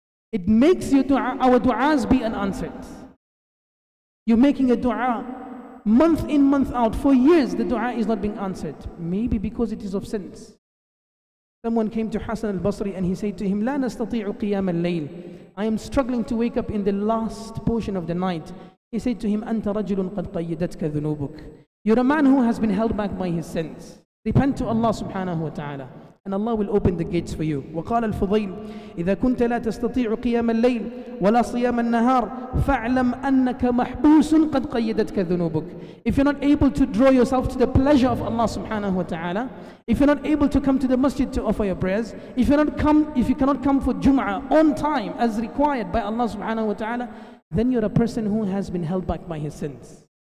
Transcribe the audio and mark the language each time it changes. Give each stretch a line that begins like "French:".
English: It makes your dua, our duas be unanswered. You're making a dua month in, month out. For years, the dua is not being answered. Maybe because it is of sins. Someone came to Hassan al-Basri and he said to him,
Arabic: لا نستطيع قيام الليل.
English: I am struggling to wake up in the last portion of the night. He said to him,
Arabic: أنت رجل قد قيدتك ذنوبك.
English: You're a man who has been held back by his sins. Repent to Allah subhanahu wa ta'ala, and Allah will open the gates for you.
Arabic: وقال الفضيل, إذا كنت لا تستطيع قيام الليل ولا صيام النهار فاعلم أنك محبوس قد قيدتك ذنوبك.
English: If you're not able to draw yourself to the pleasure of Allah subhanahu wa ta'ala, if you're not able to come to the masjid to offer your prayers, if you cannot come for Jum'ah on time as required by Allah subhanahu wa ta'ala, then you're a person who has been held back by his sins.